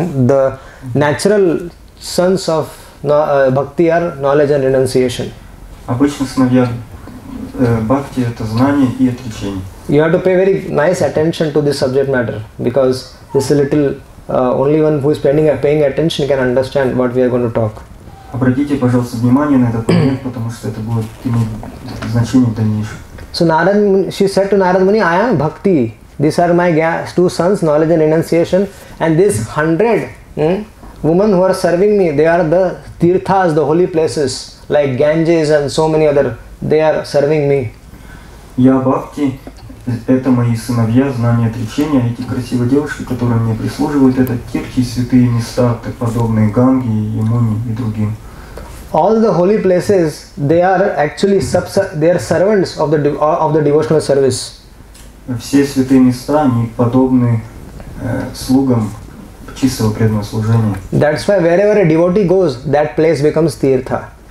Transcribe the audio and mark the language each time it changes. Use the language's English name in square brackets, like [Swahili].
[English] The natural sons of Bhakti are knowledge and renunciation. [Russian] Обычно сыновья Бхакти это знание и отречение. [English] You have to pay very nice attention to this subject matter, because this is a little, only one who is paying attention can understand what we are going to talk. [Russian] Обратите, пожалуйста, внимание на этот момент, потому что это будет иметь значение в дальнейшем. [English] So Narad, she said to Narad Muni, I am Bhakti. These are my two sons, knowledge and renunciation. And this 100 women who are serving me, they are the tirthas, the holy places, like Ganges and so many other, they are serving me. [Russian] Я Бхакти, это мои сыновья, знание отречения, эти красивые девушки, которые мне прислуживают, это тирхи, святые места, так подобные Ганги, Ямуни и другим. [English] All the holy places, they are actually they are servants of the devotional service. [Russian] Все святые места, они подобны слугам чистого преданного служения. [English] That's why wherever a devotee goes, that place becomes tirtha.